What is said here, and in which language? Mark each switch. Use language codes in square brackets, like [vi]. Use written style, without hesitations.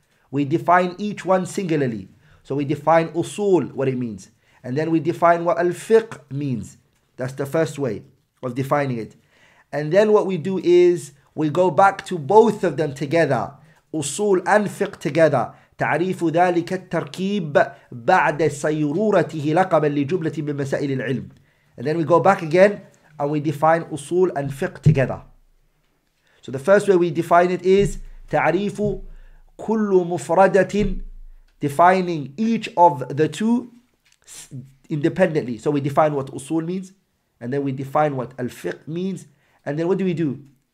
[en] We define each one singularly. So we define usul, what it means. And then we define what al-fiqh means. That's the first way of defining it. And then what we do is we go back to both of them together. Usul and fiqh together. [ar] تعريف ذلك التركيب بعد سيرورته لقبا لجملة من مسائل العلم. [en] And then we go back again and we define usul and fiqh together. So the first way we define it is [ar] تعريف كل مفردة, [en] defining each of the two independently. So we define what usul means, and then we define what al-fiqh means, and then what do?